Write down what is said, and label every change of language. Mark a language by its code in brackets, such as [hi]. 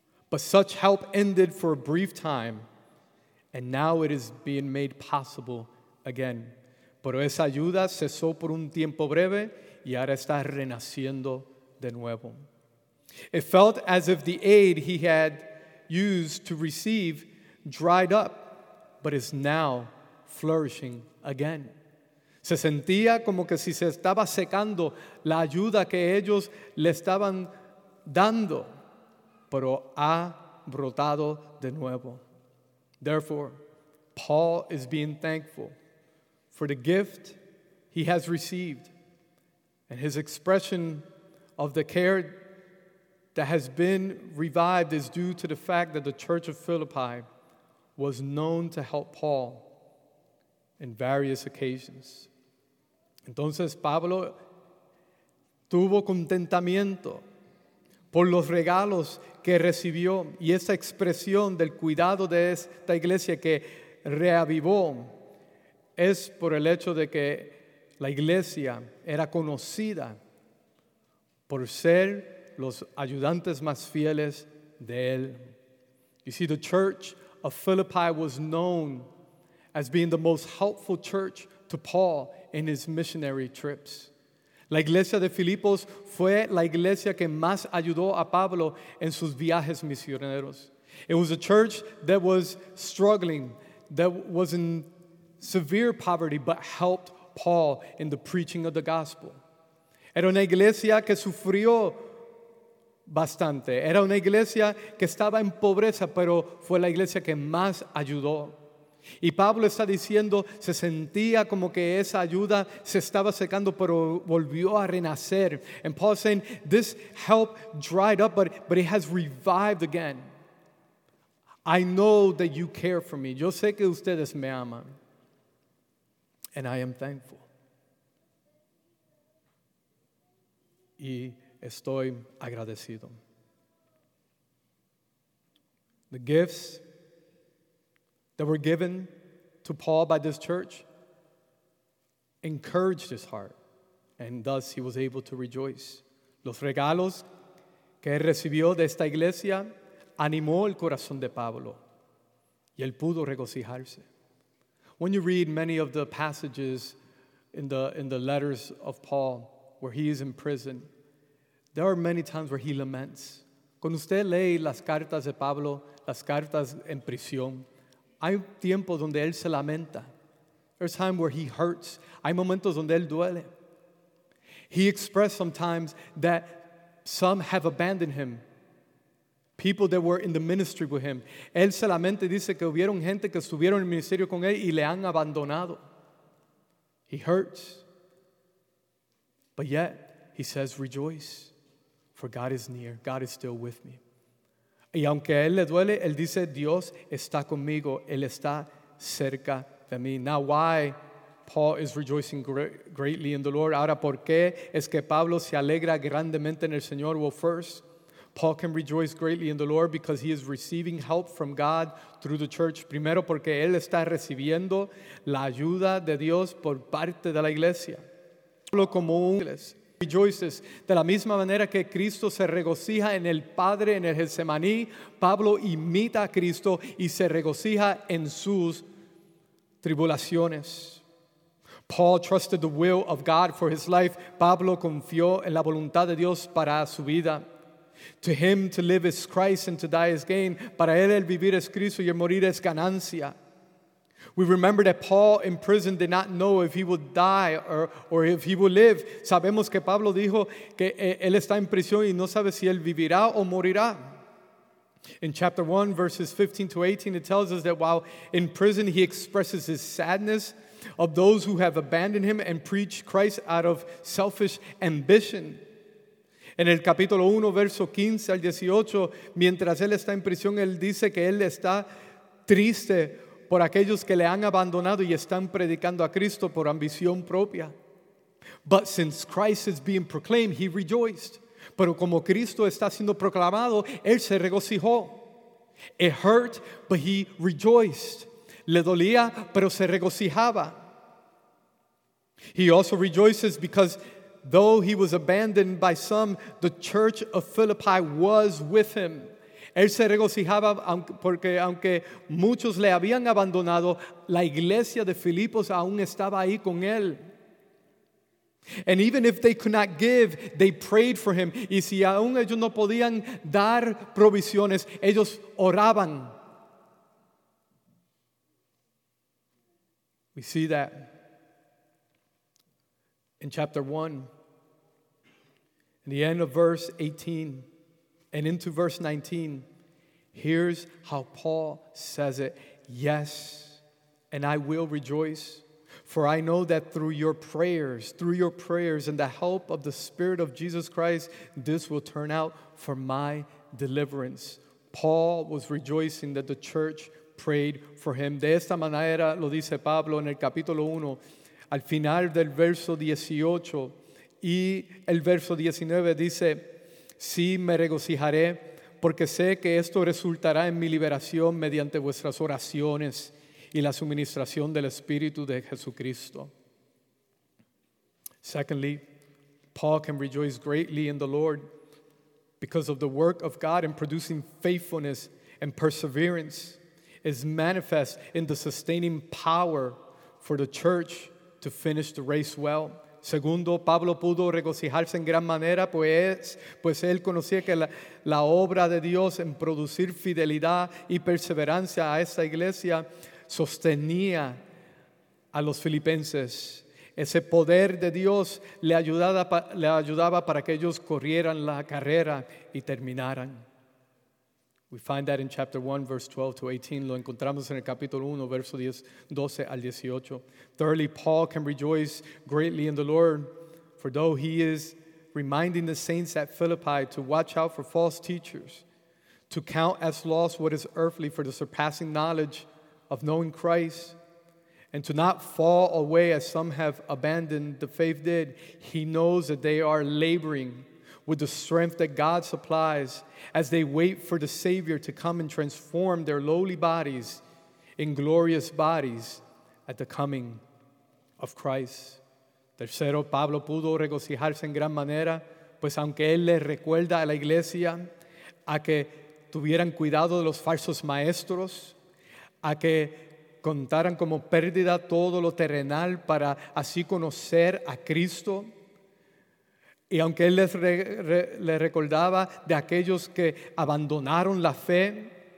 [en] But such help ended for a brief time, and now it is being made possible again. [es] Pero esa ayuda cesó por un tiempo breve y ahora está renaciendo de nuevo. [en] It felt as if the aid he had used to receive dried up, but is now flourishing again. [es] Se sentía como que si se estaba secando la ayuda que ellos le estaban dando, pero ha brotado de nuevo. [en] Therefore, Paul is being thankful for the gift he has received, and his expression of the care that has been revived is due to the fact that the church of Philippi was known to help Paul in various occasions. [es] Entonces Pablo tuvo contentamiento por los regalos que recibió, y esa expresión del cuidado de esta iglesia que reavivó es por el hecho de que la iglesia era conocida por ser los ayudantes más fieles de él. [en] You see, the church of Philippi was known as being the most helpful church to Paul in his missionary trips. [es] La iglesia de Filipos fue la iglesia que más ayudó a Pablo en sus viajes misioneros. [en] It was a church that was struggling, that was in severe poverty, but helped Paul in the preaching of the gospel. [es] Era una iglesia que sufrió bastante. Era una iglesia que estaba en pobreza, pero fue la iglesia que más ayudó. Y Pablo está diciendo, se sentía como que esa ayuda se estaba secando, pero volvió a renacer. [en] And Paul is saying, this help dried up, but it has revived again. I know that you care for me. [es] Yo sé que ustedes me aman. [en] And I am thankful. [es] Y estoy agradecido. [en] The gifts that were given to Paul by this church encouraged his heart and thus he was able to rejoice. [es] Los regalos que él recibió de esta iglesia animó el corazón de Pablo y él pudo regocijarse. [en] When you read many of the passages in the letters of Paul where he is in prison, there are many times where he laments. [es] Cuando usted lee las cartas de Pablo, las cartas en prisión, hay tiempos donde él se lamenta. [en] There's time where he hurts. [es] Hay momentos donde él duele. [en] He expressed sometimes that some have abandoned him. People that were in the ministry with him. [es] Él se lamenta y dice que hubieron gente que estuvieron en el ministerio con él y le han abandonado. [en] He hurts. But yet, he says, rejoice. For God is near. God is still with me. [es] Y aunque a él le duele, él dice, Dios está conmigo. Él está cerca de mí. [en] Now, why Paul is rejoicing greatly in the Lord. [es] Ahora, ¿por qué es que Pablo se alegra grandemente en el Señor? [en] Well, first, Paul can rejoice greatly in the Lord because he is receiving help from God through the church. [es] Primero, porque él está recibiendo la ayuda de Dios por parte de la iglesia. Pablo, como un... [en] Rejoices. [es] De la misma manera que Cristo se regocija en el Padre, en el Getsemaní, Pablo imita a Cristo y se regocija en sus tribulaciones. [en] Paul trusted the will of God for his life. [es] Pablo confió en la voluntad de Dios para su vida. [en] To him to live is Christ and to die is gain. [es] Para él el vivir es Cristo y el morir es ganancia. [en] We remember that Paul in prison did not know if he would die or if he would live. [es] Sabemos que Pablo dijo que él está en prisión y no sabe si él vivirá o morirá. [en] In chapter 1, verses 15 to 18, it tells us that while in prison, he expresses his sadness of those who have abandoned him and preach Christ out of selfish ambition. [es] En el capítulo 1, verso 15 al 18, mientras él está en prisión, él dice que él está triste por aquellos que le han abandonado y están predicando a Cristo por ambición propia. [en] But since Christ is being proclaimed, he rejoiced. [es] Pero como Cristo está siendo proclamado, él se regocijó. [en] It hurt, but he rejoiced. [es] Le dolía, pero se regocijaba. [en] He also rejoices because though he was abandoned by some, the church of Philippi was with him. [es] Él se regocijaba porque aunque muchos le habían abandonado, la iglesia de Filipos aún estaba ahí con él. [en] And even if they could not give, they prayed for him. [es] Y si aún ellos no podían dar provisiones, ellos oraban. [en] We see that in chapter 1, in the end of verse 18 and into verse 19. Here's how Paul says it. Yes, and I will rejoice, for I know that through your prayers and the help of the Spirit of Jesus Christ, this will turn out for my deliverance. Paul was rejoicing that the church prayed for him. [es] De esta manera lo dice Pablo en el capítulo 1, al final del verso 18 y el verso 19 dice, sí, me regocijaré, porque sé que esto resultará en mi liberación mediante vuestras oraciones y la suministración del Espíritu de Jesucristo. [en] Secondly, Paul can rejoice greatly in the Lord because of the work of God in producing faithfulness and perseverance is manifest in the sustaining power for the church to finish the race well. [es] Segundo, Pablo pudo regocijarse en gran manera, pues él conocía que la obra de Dios en producir fidelidad y perseverancia a esta iglesia sostenía a los filipenses. Ese poder de Dios le ayudaba para que ellos corrieran la carrera y terminaran. [en] We find that in chapter 1, verse 12 to 18. [es] Lo encontramos en el capítulo 1, verso 12 al 18. [en] Thirdly, Paul can rejoice greatly in the Lord, for though he is reminding the saints at Philippi to watch out for false teachers, to count as loss what is earthly for the surpassing knowledge of knowing Christ, and to not fall away as some have abandoned the faith did, he knows that they are laboring with the strength that God supplies as they wait for the Savior to come and transform their lowly bodies in glorious bodies at the coming of Christ. [es] Tercero, Pablo pudo regocijarse en gran manera, pues aunque él le recuerda a la iglesia a que tuvieran cuidado de los falsos maestros, a que contaran como pérdida todo lo terrenal para así conocer a Cristo, y aunque él les recordaba de aquellos que abandonaron la fe